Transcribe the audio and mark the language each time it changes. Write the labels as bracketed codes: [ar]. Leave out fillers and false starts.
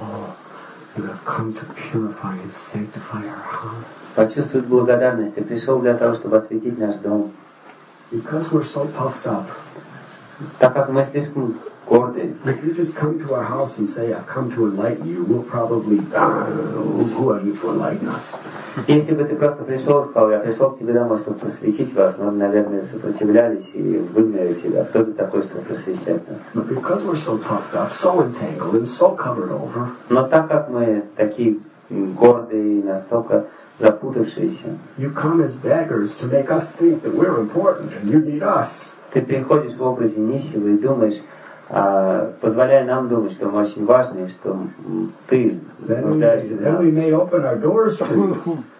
[en] Oh, you have come to purify and sanctify our hearts. [ru] Почувствуют благодарность. Ты пришел для того, чтобы осветить наш дом. [en] Because we're so puffed up. [ru] Так как мы слишком горды. [en] If you just come to our house and say, I've come to enlighten you, we'll probably, who are you to enlighten us? [ru] Если бы ты просто пришел и сказал, я пришел к тебе домой, чтобы просветить вас, мы бы, наверное, сопротивлялись и выгнали тебя. Кто ты такой, чтобы просвещать нас? Но так как мы такие гордые и настолько запутавшиеся, ты приходишь в образе нищего и думаешь, позволяя нам думать, что мы очень важны, что ты нуждаешься в нас.